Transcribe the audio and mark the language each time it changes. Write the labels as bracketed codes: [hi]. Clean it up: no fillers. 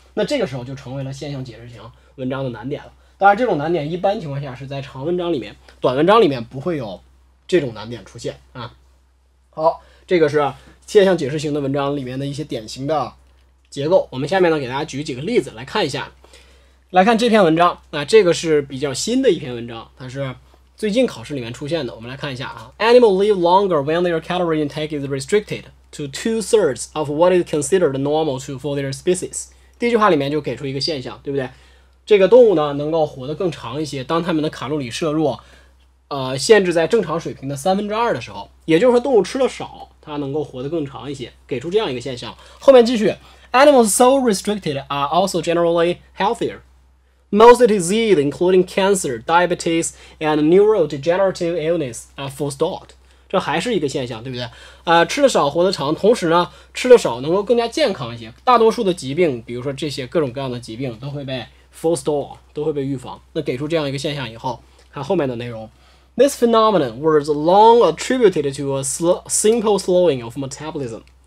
[zh] 那这个时候就成为了现象解释型文章的难点了。当然，这种难点一般情况下是在长文章里面，短文章里面不会有这种难点出现啊。好，这个是现象解释型的文章里面的一些典型的结构。我们下面呢给大家举几个例子来看一下，来看这篇文章啊，这个是比较新的一篇文章，它是最近考试里面出现的。我们来看一下啊， [en] Animals live longer when their calorie intake is restricted to 2/3 of what is considered normal to for their species。 [zh] 第一句话里面就给出一个现象，对不对？这个动物呢能够活得更长一些，当它们的卡路里摄入限制在正常水平的1/3的时候，也就是说动物吃的少，它能够活得更长一些，给出这样一个现象。 [en] 后面继续，Animals so restricted are also generally healthier. Most diseases, including cancer, diabetes, and neurodegenerative illness, are forestalled. [zh] 这还是一个现象，对不对？吃的少，活得长，同时呢，吃的少能够更加健康一些。大多数的疾病，比如说这些各种各样的疾病，都会被 forestalled， 都会被预防。那给出这样一个现象以后，看后面的内容。 [en] This phenomenon was long attributed to a simple slowing of metabolism.